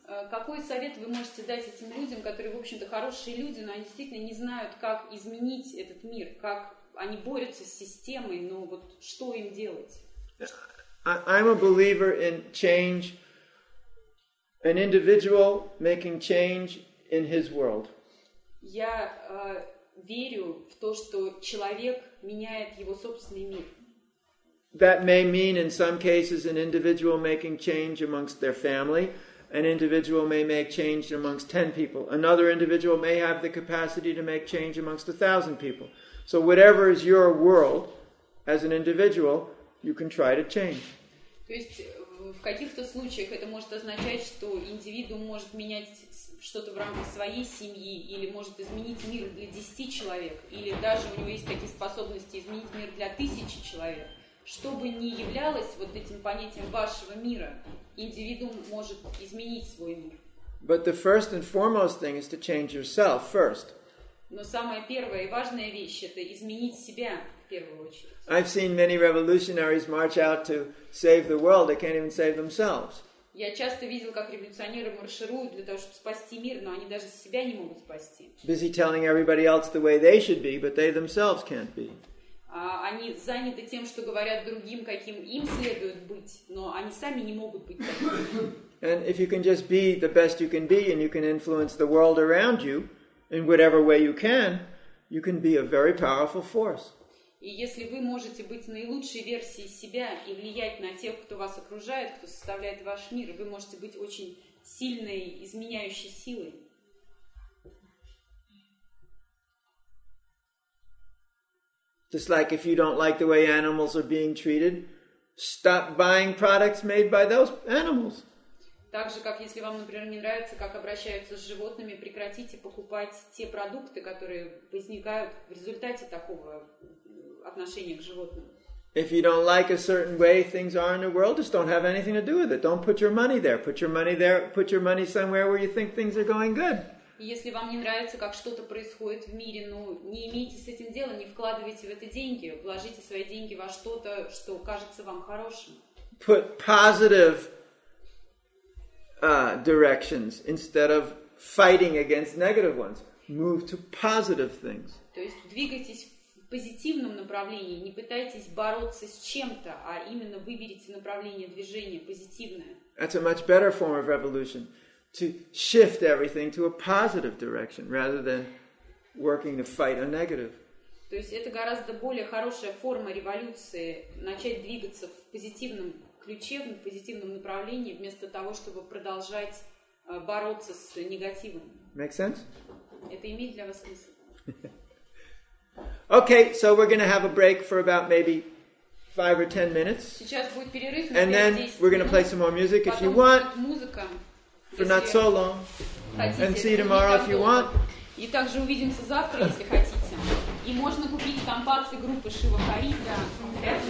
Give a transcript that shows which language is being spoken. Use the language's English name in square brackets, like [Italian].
[Russian] Какой совет вы можете дать этим людям, которые, в общем-то, хорошие люди, но они действительно не знают, как изменить этот мир, как они борются с системой, но вот что им делать? [English] I'm a believer in change, an individual making change in his world. [Russian] Я верю в то, что человек меняет его собственный мир. [English] That may mean in some cases an individual making change amongst their family. An individual may make change amongst 10 people. Another individual may have the capacity to make change amongst 1,000 people. So whatever is your world, as an individual, you can try to change. [Russian] То есть в каких-то случаях это может означать, что индивидуум может менять что-то в рамках своей семьи или может изменить мир для 10 человек, или даже у него есть такие способности изменить мир для 1,000 человек. Что бы ни являлось вот этим понятием вашего мира, индивидуум может изменить свой мир. [English] But the first and foremost thing is to change yourself first. [Russian] Но самая первая и важная вещь — это изменить себя в первую очередь. [English] I've seen many revolutionaries march out to save the world. They can't even save themselves. [Russian] Я часто видел, как революционеры маршируют для того, чтобы спасти мир, но они даже себя не могут спасти. [English] Busy telling everybody else the way they should be, but they themselves can't be. [Russian] они заняты тем, что говорят другим, каким им следует быть, но они сами не могут быть такими. [English] And if you can just be the best you can be, and you can influence the world around you in whatever way you can be a very powerful force. [Russian] И если вы можете быть наилучшей версией себя и влиять на тех, кто вас окружает, кто составляет ваш мир, вы можете быть очень сильной, изменяющей силой. [English] Just like if you don't like the way animals are being treated, stop buying products made by those animals. [Russian] Так же, как если вам, например, не нравится, как обращаются с животными, прекратите покупать те продукты, которые возникают в результате такого отношения к животным. [English] If you don't like a certain way things are in the world, just don't have anything to do with it. Don't put your money there. Put your money there. Put your money somewhere where you think things are going good. [Russian] Если вам не нравится, как что-то происходит в мире, ну, не имейте с этим дела, не вкладывайте в это деньги, вложите свои деньги во что-то, что кажется вам хорошим. [English] Put positive directions instead of fighting against negative ones. Move to positive things. [Russian] То есть двигайтесь в позитивном направлении, не пытайтесь бороться с чем-то, а именно выберите направление движения позитивное. [English] That's a much better form of revolution. To shift everything to a positive direction rather than working to fight a negative. [Russian] То есть это гораздо более хорошая форма революции — начать двигаться в позитивном ключе, в позитивном направлении, вместо того, чтобы продолжать бороться с негативом. [English] Make sense? [Russian] Это имеет для вас смысл? [English] Okay, so we're going to have a break for about maybe 5 or 10 minutes. [Russian] Сейчас будет перерыв. [English] And then we're going to play some more music if you want. [Russian] Музыка. [English] For not so long. [Russian] Хотите, [English] and see you tomorrow if you want. [Russian] И также увидимся завтра, если хотите. И можно купить компакты группы Шива Харида.